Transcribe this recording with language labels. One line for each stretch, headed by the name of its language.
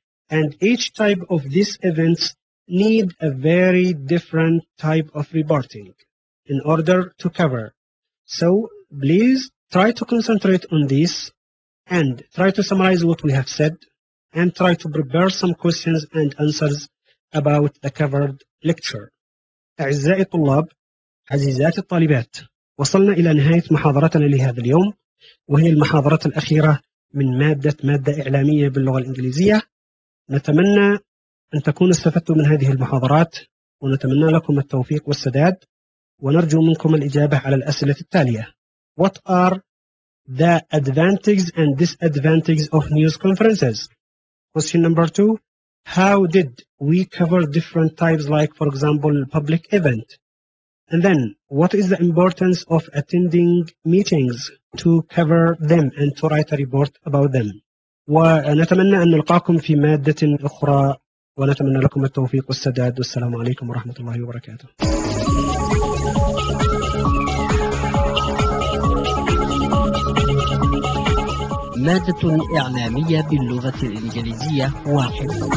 English: And each type of these events need a very different type of reporting in order to cover. So please try to concentrate on this and try to summarize what we have said and try to prepare some questions and answers about the covered lecture. أعزائي الطلاب،
Arabic: عزيزات الطالبات، وصلنا إلى نهاية محاضرتنا لهذا اليوم، وهي المحاضرة الأخيرة من مادة إعلامية باللغة الإنجليزية. نتمنى أن تكونوا استفدتم من هذه المحاضرات، ونتمنى لكم التوفيق والسداد، ونرجو منكم الإجابة على الأسئلة التالية: What are the advantages and disadvantages of news conferences?
English: Question number 2: How did we cover different types, like for example public event? And then what is the importance of attending meetings to cover them and to write a report about them?
Arabic: ونتمنى أن نلقاكم في مادة أخرى، ونتمنى لكم التوفيق والسداد، والسلام عليكم ورحمة الله وبركاته. مادة إعلامية باللغة الإنجليزية 1.